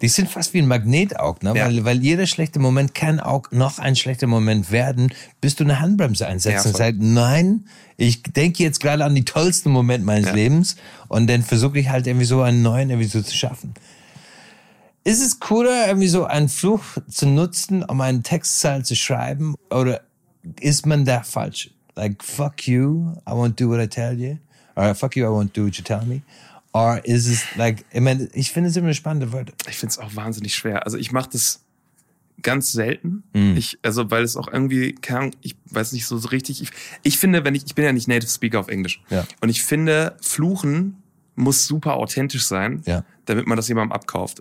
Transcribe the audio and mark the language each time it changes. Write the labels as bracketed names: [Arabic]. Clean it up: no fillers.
[German] die sind fast wie ein Magnet auch, ne? Ja. Weil jeder schlechte Moment kann auch noch ein schlechter Moment werden, bis du eine Handbremse einsetzt und sagst, nein, ich denke jetzt gerade an die tollsten Momente meines Lebens und dann versuche ich halt irgendwie so einen neuen irgendwie so zu schaffen. Ist es cooler, irgendwie so einen Fluch zu nutzen, um einen Textzeil zu schreiben, oder ist man da falsch? [English] Like, fuck you, I won't do what I tell you. Or fuck you, I won't do what you tell me. Or is it like, I mean, [German] ich finde es immer eine spannende Worte. Ich finde es auch wahnsinnig schwer. Also ich mache das ganz selten. Weil es auch irgendwie, ich weiß nicht so richtig. Ich finde, ich bin ja nicht Native Speaker auf Englisch. Ja. Und ich finde, Fluchen muss super authentisch sein, damit man das jemandem abkauft.